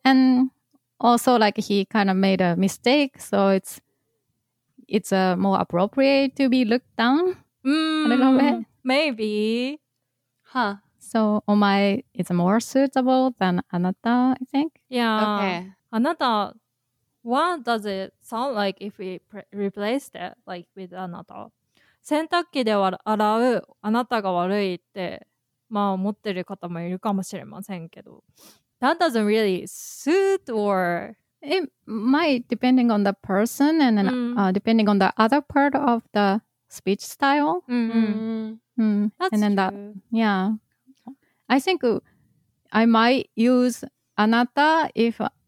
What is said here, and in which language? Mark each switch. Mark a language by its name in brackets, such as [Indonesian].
[English] And also, like, he kind of made a mistake, so it's more appropriate to be looked down a little bit. Maybe. Huh. So omae is more suitable than anata, I think. Yeah. Okay. Anata, what does it sound like if we replaced it like with anata? [Japanese] 洗濯機で洗うあなたが悪いってまあ思ってる方もいるかもしれませんけど。 [English] That doesn't really suit or... It might, depending on the person and then depending on the other part of the speech style. That's and then true. Yeah. I think I might use anata if...